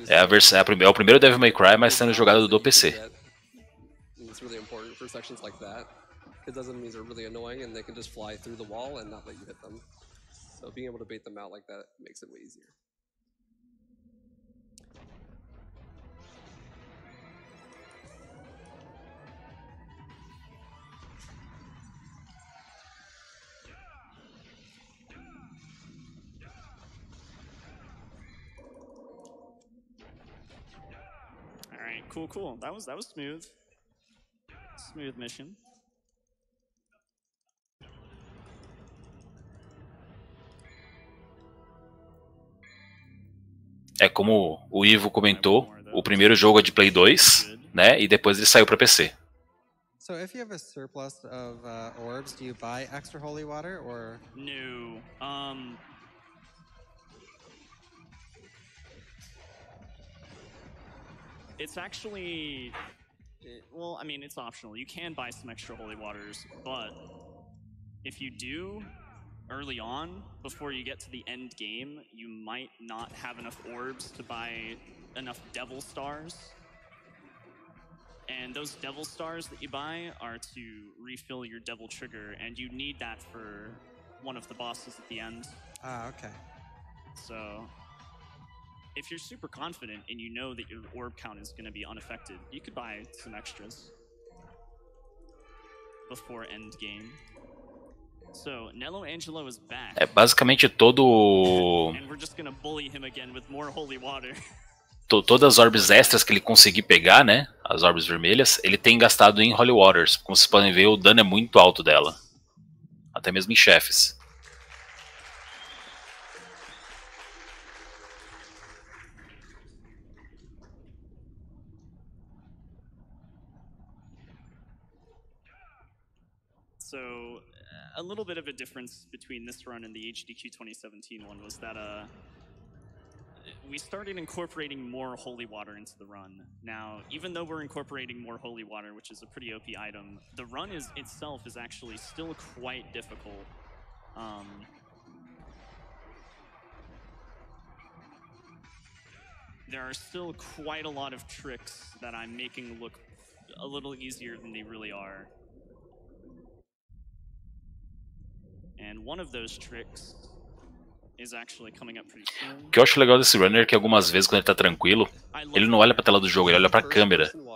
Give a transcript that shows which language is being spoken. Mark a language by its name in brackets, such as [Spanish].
[Portuguese] É o primeiro Devil May Cry, mas sendo jogado do PC. [English] It's really important for sections like that, because those enemies are really annoying and they can just fly through the wall and not let you hit them. So being able to bait them out like that makes it way easier. Cool, cool. That was smooth. Smooth mission. [Portuguese] É como o Ivo comentou, o primeiro jogo é de Play 2, né? E depois ele saiu para PC. [English] So if you have a surplus of orbs, do you buy extra holy water or no? It's actually, well, I mean, it's optional. You can buy some extra holy waters, but if you do early on, before you get to the end game, you might not have enough orbs to buy enough devil stars. And those devil stars that you buy are to refill your devil trigger, and you need that for one of the bosses at the end. Ah, okay. So if you're super confident and you know that your orb count is going to be unaffected, you could buy some extras before end game. So, Nello Angelo is back. [Portuguese] É basicamente todo. [English] And we're just going to bully him again with more holy water. [Portuguese] Todas as orbs extras que ele conseguir pegar, né? As orbs vermelhas, ele tem gastado em holy waters. Como vocês podem ver, o dano é muito alto dela. Até mesmo em chefes. [English] So, a little bit of a difference between this run and the HDQ 2017 one was that we started incorporating more holy water into the run. Now, even though we're incorporating more holy water, which is a pretty OP item, the run itself is actually still quite difficult. There are still quite a lot of tricks that I'm making look a little easier than they really are. And one of those tricks is actually coming up pretty soon. [Portuguese] O que eu acho legal desse runner é que algumas vezes quando ele tá tranquilo, ele não olha pra tela do jogo, ele olha pra câmera.